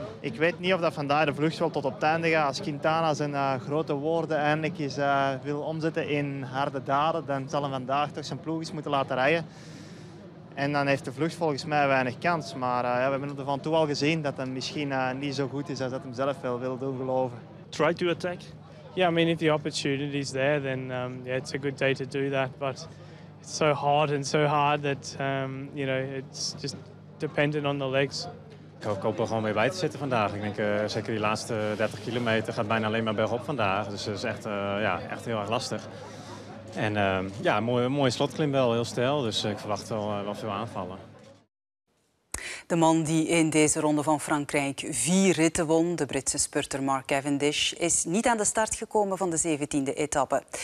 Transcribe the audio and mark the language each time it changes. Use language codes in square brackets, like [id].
[nl] Ik weet niet of dat vandaag de vlucht wel tot op het einde gaat. Als Quintana zijn grote woorden eindelijk eens, wil omzetten in harde daden, dan zal hij vandaag toch zijn ploeg eens moeten laten rijden. En dan heeft de vlucht volgens mij weinig kans. Maar we hebben er van toe al gezien dat hij misschien niet zo goed is als dat hij zelf wel wil doen geloven. [en] Try to attack? Yeah, I mean, if the opportunity is there, then yeah, it's a good day to do that. But it's so hard and so hard that you know, it's just dependent on the legs. [nl] Ik hoop er gewoon mee bij te zitten vandaag. Ik denk zeker die laatste 30 kilometer gaat bijna alleen maar bergop vandaag. Dus dat is echt, ja, echt heel erg lastig. En ja, mooie slotklim wel, heel stijl. Dus ik verwacht wel veel aanvallen. De man die in deze ronde van Frankrijk 4 ritten won, de Britse spurter Mark Cavendish, is niet aan de start gekomen van de 17e etappe.